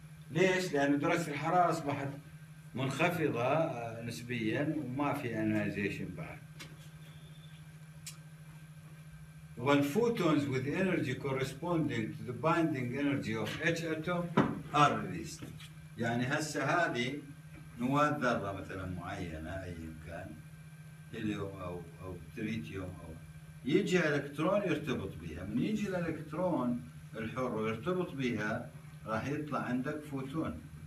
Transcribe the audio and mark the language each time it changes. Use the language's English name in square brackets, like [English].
[Arabic] ليش؟ لأن درجة الحرارة أصبحت منخفضة نسبيا وما في ionization بعد. [English] When photons with energy corresponding to the binding energy of each atom are released. [Arabic] يعني هسه هذه نواة ذرة مثلا معينة أي مكان، هيليوم أو تريتيوم، أو يجي الإلكترون يرتبط بها. من يجي الإلكترون الحر ويرتبط بها راح يطلع عندك فوتون.